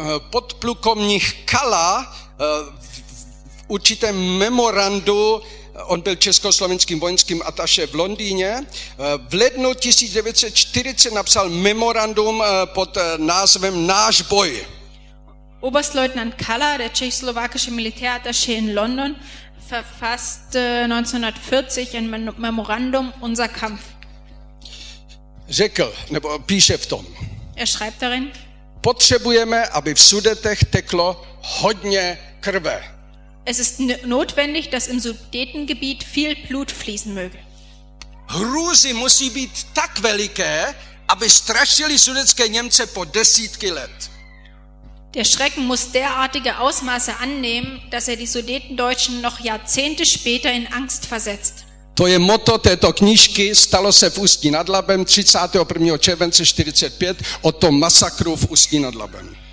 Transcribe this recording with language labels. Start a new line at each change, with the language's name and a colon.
Czech: Podplukovník Kala v určitém memorandu, on byl československým vojenským ataše v Londýně, v lednu 1940 napsal memorandum pod názvem Náš boj.
German: Oberstleutnant Kala, der tschechoslowakische Militärattaché in London, verfasste 1940 ein Memorandum Unser Kampf.
Czech: Řekl, nebo píše v tom.
German: Er schreibt darin:
Czech: Potřebujeme, aby v Sudetech teklo hodně krve.
German: Es ist notwendig, dass im Sudetengebiet viel Blut fließen möge.
Czech: Hrůzy musí být tak veliké, aby strašili sudetské Němce po desítky let.
German: Der Schrecken muss derartige Ausmaße annehmen, dass er die Sudetendeutschen noch Jahrzehnte später in Angst versetzt.
Czech: To je motto této knížky, stalo se v Ústí nad Labem 31. července 45 o tom masakru v Ústí nad Labem.